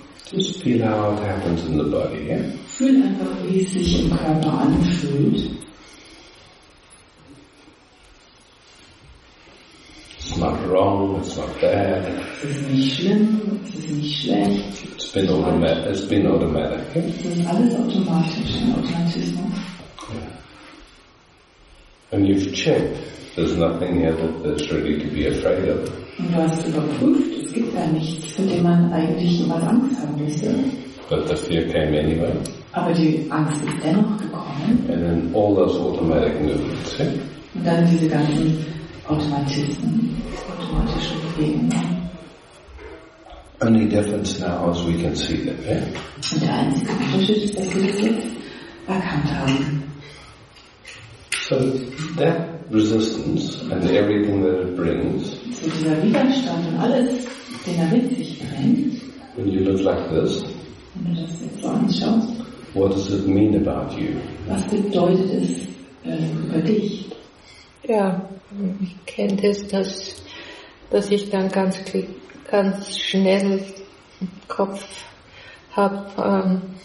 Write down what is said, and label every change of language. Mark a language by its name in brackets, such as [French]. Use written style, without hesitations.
[English] Just feel how it happens in the body, yeah? [German] Fühl einfach, wie es sich im Körper anfühlt. [English] It's not wrong, it's not bad. [German] Es ist nicht schlimm, es ist nicht schlecht. [English] It's been automatic. [German] Es ist alles automatisch, ein Automatismus. [English] Yeah. And you've checked, there's nothing here that there's really to be afraid of. [German] Und du hast überprüft, es gibt da nichts, von dem man eigentlich was Angst haben müsste. Yeah. [English] But the fear came anyway. [German] Aber die Angst ist dennoch gekommen. [English] And then all those automatic movements. Yeah? [German] Und dann diese ganzen automatische Bewegungen. [English] Only difference now is we can see them, yeah? [German] Und der einzige Unterschied ist, dass wir das jetzt erkannt haben. [English] So that resistance and everything that it brings. [German] So dieser Widerstand und alles, den er mit sich bringt. [English] When you look like this. [German] Wenn du das jetzt so anschaust. [English] What does it mean about you? [German] Was bedeutet es über dich? Ja. Ich kenne das, dass ich dann ganz schnell im Kopf habe.